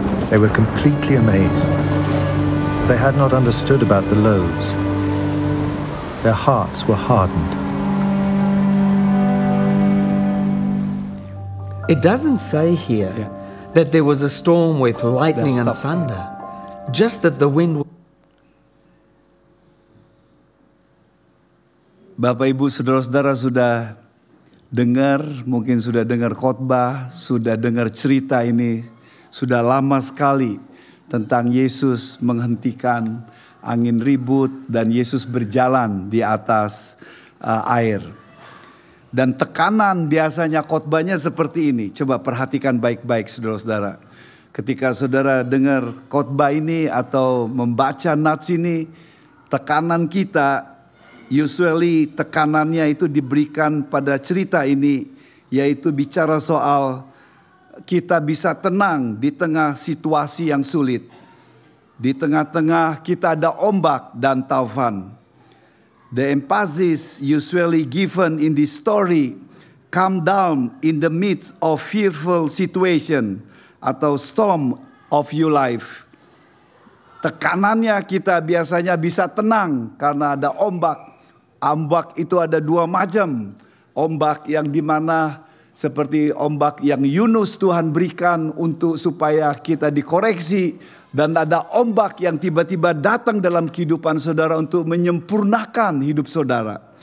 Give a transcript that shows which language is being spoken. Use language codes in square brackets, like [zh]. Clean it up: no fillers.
[en] They were completely amazed. They had not understood about the loaves. Their hearts were hardened. It doesn't say here that there was a storm with lightning and thunder, just that the wind. [id] Bapak, Ibu, Saudara-saudara sudah dengar, mungkin sudah dengar khotbah, sudah dengar cerita ini, sudah lama sekali. Tentang Yesus menghentikan angin ribut dan Yesus berjalan di atas air. Dan tekanan biasanya khotbahnya seperti ini. Coba perhatikan baik-baik saudara-saudara. Ketika saudara dengar khotbah ini atau membaca nats ini, tekanan kita, [en] usually [id] tekanannya itu diberikan pada cerita ini, yaitu bicara soal kita bisa tenang di tengah situasi yang sulit. Di tengah-tengah kita ada ombak dan taufan. [en] The emphasis usually given in this story, calm down in the midst of fearful situation [id] atau [en] storm of your life. [id] Tekanannya kita biasanya bisa tenang karena ada ombak. Ombak itu ada dua macam. Ombak yang dimana seperti ombak yang Yunus Tuhan berikan untuk supaya kita dikoreksi. Dan ada ombak yang tiba-tiba datang dalam kehidupan saudara untuk menyempurnakan hidup saudara.